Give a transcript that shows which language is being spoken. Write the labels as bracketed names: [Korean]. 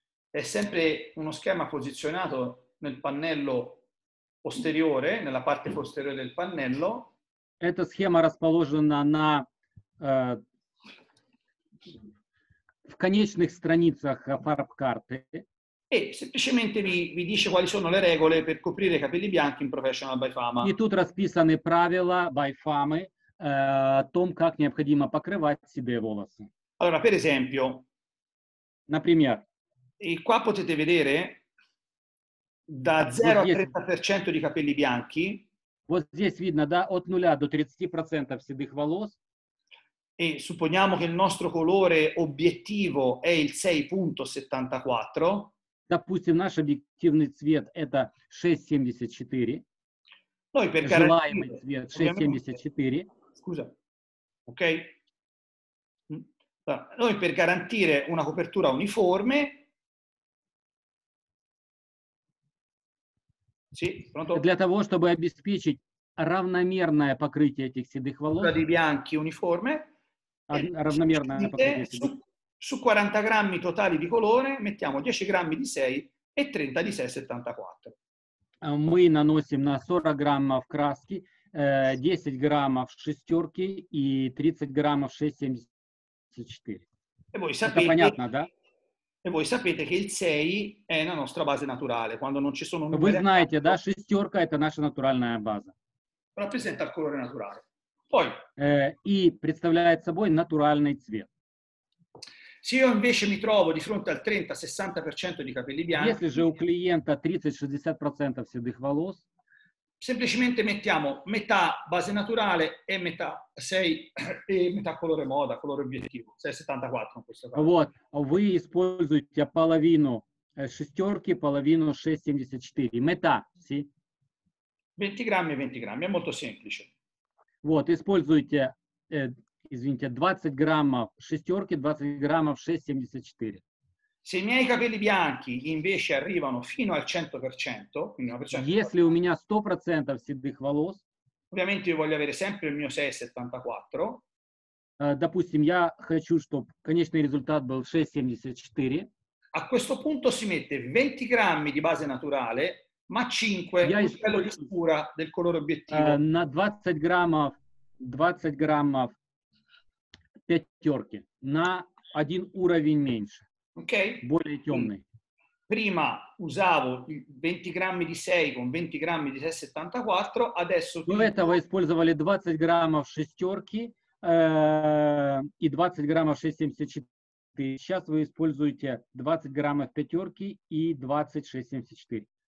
[Italian] È sempre uno schema posizionato nel pannello posteriore, nella parte posteriore del pannello. [Russian] Эта схема расположена на в конечных страницах фарб-карты. [Italian] E semplicemente vi dice quali sono le regole per coprire i capelli bianchi in Professional by Fama. [Russian] И тут расписаны правила by Fama о том, как необходимо покрывать седые волосы. [Italian] Allora, per esempio. [Russian] Например. [Italian] И qua potete vedere da 0 a 30% di capelli bianchi. [Russian] Вот здесь видно, да, от 0 до 30% седых волос. [Italian] E supponiamo che il nostro colore obiettivo è il 6.74. [Russian] Допустим, наш объективный цвет это 6.74. [Italian] Noi per [Russian] желаемый цвет 6.74. [Italian] Scusa. Ok. Allora, noi per garantire una copertura uniforme. Sì, pronto. [Russian] Для того, чтобы обеспечить равномерное покрытие этих седых волос. [Italian] Di bianchi uniforme. [Russian] Равномерное покрытие. [Italian] Su 40 grammi totali di colore mettiamo 10 grammi di 6 e 30 di 6,74. [Russian] Мы наносим на 40 граммов краски 10 граммов шестерки и 30 граммов 6,74. [Italian] E voi sapete, [Russian] понятно, да? [Italian] E voi sapete che il 6 è la nostra base naturale. Quando non ci sono numeri... [Russian] Вы знаете, да, шестерка – это наша натуральная база. [Italian] Rappresenta il colore naturale. Poi... [Russian] И представляет собой натуральный цвет. [Italian] Se io invece mi trovo di fronte al 30-60% di capelli bianchi, [Russian] если же у клиента 30-60% седых волос, [Italian] semplicemente mettiamo metà base naturale e metà 6 e metà colore moda, colore obiettivo, 6,74 in questo caso. [Russian] Вот, вы используете половину шестерки, половину 6,74, [Italian] metà, sì? 20 grammi e 20 grammi, è molto semplice. [Russian] Вот, используете... Извините, 20 граммов шестерки, 20 граммов 6,74. [Italian] Se i miei capelli bianchi invece arrivano fino al 100%, [Russian] если у меня 100% седых волос, [Italian] ovviamente io voglio avere sempre il mio 6,74. [Russian] Допустим, я хочу, чтобы конечный результат был 6,74. [Italian] A questo punto si mette 20 grammi di base naturale, ma 5 livello di scura del colore obiettivo. [Russian] На 20 граммов, 20 граммов пятерки на один уровень меньше. Okay. Более темный. [Italian] Prima usavo 20 grammi di 6 con 20 grammi di 6,74, adesso... [Russian] До этого использовали 20 граммов шестерки и 20 граммов 6,74. Сейчас вы используете 20 граммов пятерки и 26,74.